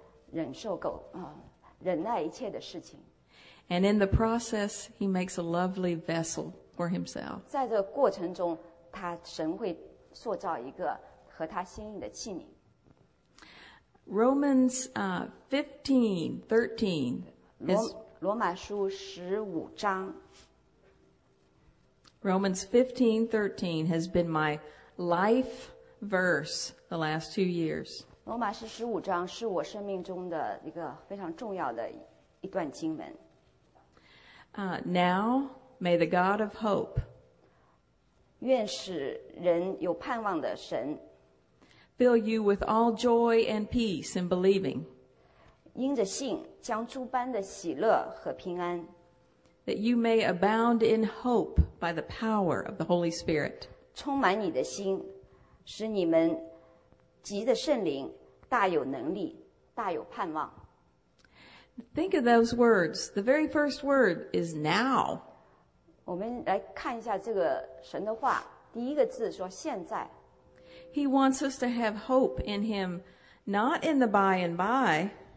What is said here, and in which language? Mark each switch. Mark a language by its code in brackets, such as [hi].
[zh] 他会给我们力量来忍受忍耐一切的事情。 [en] And in the process, He makes a lovely vessel for Himself. [zh] 在这过程中， 他神会塑造一个合他心意的器皿。 [en] Romans 15:13. Romans 15:13. Romans 15:13 has been my life verse the last 2 years. [zh] 罗马书15章是我生命中的一个非常重要的一段经文。 [en] Now may the God of hope, [zh] 愿使人有盼望的神, [en] fill you with all joy and peace in believing, [zh] 因着信将诸般的喜乐和平安, [en] that you may abound in hope by the power of the Holy Spirit, [zh] 充满你的心, 使你们藉着圣灵, 大有能力, 大有盼望。 [en] Think of those words. The very first word is now. [zh] 我们来看一下这个神的话。第一个字说现在。 [en] He wants us to have hope in Him, not in the by and by.